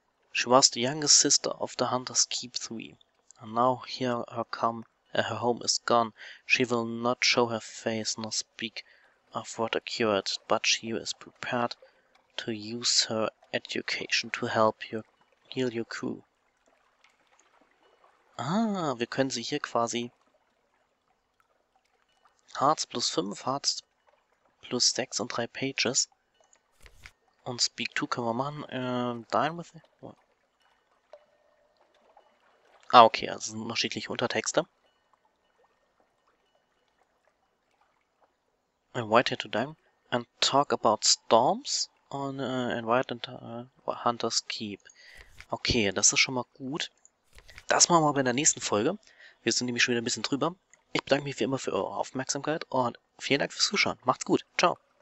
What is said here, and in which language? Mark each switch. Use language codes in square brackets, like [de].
[en] She was the youngest sister of the Hunter's Keep 3. And now here her come, her home is gone. She will not show her face nor speak of what occurred, but she is prepared to use her education to help your heal your crew. [de] Ah, wir können sie hier quasi Hearts plus 5, Hearts plus 6 und 3 Pages. Und Speak to können wir machen. [en] Dine with it. [de] Ah, okay, also sind unterschiedliche Untertexte. [en] Invite her to dine and talk about storms on invite and Hunter's Keep. [de] Okay, das ist schon mal gut. Das machen wir aber in der nächsten Folge. Wir sind nämlich schon wieder ein bisschen drüber. Ich bedanke mich wie immer für eure Aufmerksamkeit und vielen Dank fürs Zuschauen. Macht's gut. Ciao.